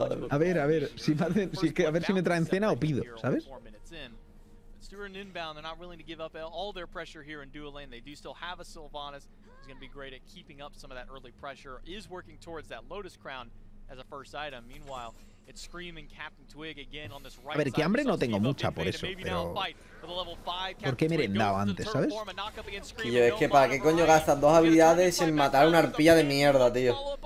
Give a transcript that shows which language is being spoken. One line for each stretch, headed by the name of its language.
Spanish: A ver, si me traen cena o pido, ¿sabes?
English: Stuart inbound, they're not willing to give up all their pressure here in dual lane. They do still have a Sylvanas. He's going to be great at keeping up some of that early pressure. Is working towards that Lotus Crown as a first item. Meanwhile, it's Scream and Captain Twig again on this right side.
Spanish: A ver, que hambre no tengo mucha por eso, pero... ¿Por qué merendado antes, sabes? Tío, es que ¿para qué coño gastas dos habilidades en matar una arpía de mierda, tío?